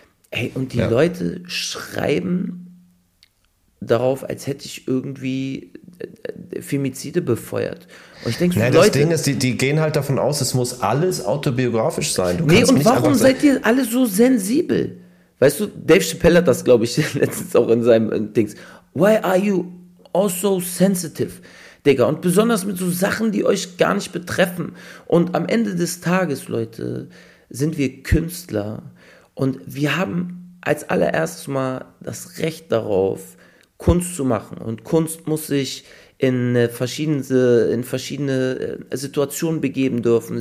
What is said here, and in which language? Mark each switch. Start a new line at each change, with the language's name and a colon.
German: Ey, und die Leute schreiben darauf, als hätte ich irgendwie Femizide befeuert. Und ich denke, nee, Leute, das Ding ist, die gehen halt davon aus, es muss alles autobiografisch sein. Du kannst und nicht warum seid ihr alle so sensibel? Weißt du, Dave Chappelle hat das, glaube ich, letztens auch in seinem Dings.
English: Why are you all so sensitive?
German: Digga, und besonders mit so Sachen, die euch gar nicht betreffen. Und am Ende des Tages, Leute, sind wir Künstler und wir haben als allererstes mal das Recht darauf, Kunst zu machen. Und Kunst muss sich in verschiedene Situationen begeben dürfen.